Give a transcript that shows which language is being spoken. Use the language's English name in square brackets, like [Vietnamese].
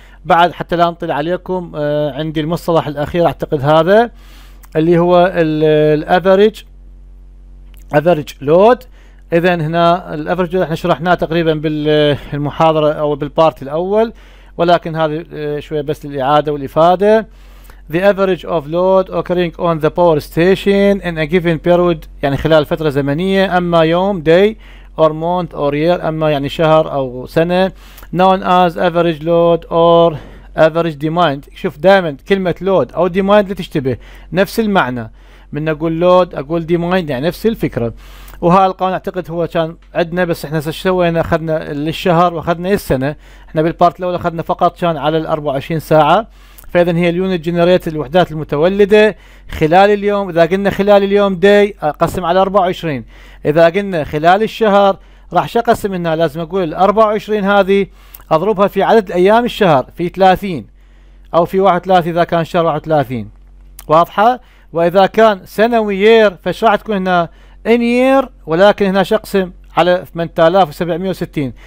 [Arabic] بعد حتى لا نطل عليكم عندي المصطلح الأخير أعتقد هذا اللي هو الـ average load. إذا هنا الـ average load احنا شرحناه تقريبا بالمحاضرة أو بالبارت الأول، ولكن هذه شوية بس للإعادة والإفادة. [English] The average of load occurring on the power station in a given period [Arabic] يعني خلال فترة زمنية، أما يوم [English] day or month or year [Arabic] أما يعني شهر أو سنة، [English] known as average load or average demand. [Arabic] شوف دائما كلمة load أو demand لتشتبه نفس المعنى، من أقول load أقول demand يعني نفس الفكرة. وهذا القانون أعتقد هو كان عندنا، بس إحنا سوينا أخذنا للشهر وأخذنا السنة. إحنا بالبارت الأول أخذنا فقط كان على 24 ساعة. فإذا هي اليونت جنريت الوحدات المتولدة خلال اليوم، إذا قلنا خلال اليوم داي قسم على 24، إذا قلنا خلال الشهر راح شقسم منها، لازم أقول 24 هذه أضربها في عدد أيام الشهر في 30 أو في 31 إذا كان شهر 31، واضحة؟ وإذا كان سنوي يير فش راح تكون هنا إن يير، ولكن هنا شقسم على 8760.